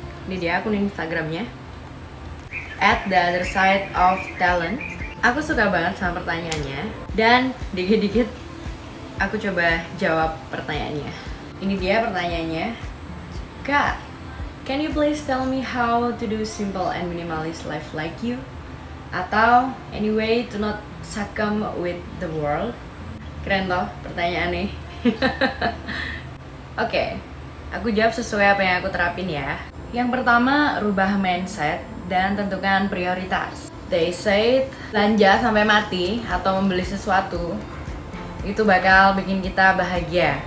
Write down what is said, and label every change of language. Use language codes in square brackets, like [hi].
[id] Ini dia akun Instagramnya. [en] At the other side of talent. [id] Aku suka banget sama pertanyaannya. Dan dikit-dikit aku coba jawab pertanyaannya. Ini dia pertanyaannya. [en] Kak, can you please tell me how to do simple and minimalist life like you? Atau, any way to not succumb with the world? [id] Keren loh pertanyaan nih. Oke, aku jawab sesuai apa yang aku terapin ya. Yang pertama, rubah mindset dan tentukan prioritas. [en] They said, [id] belanja sampai mati atau membeli sesuatu itu bakal bikin kita bahagia.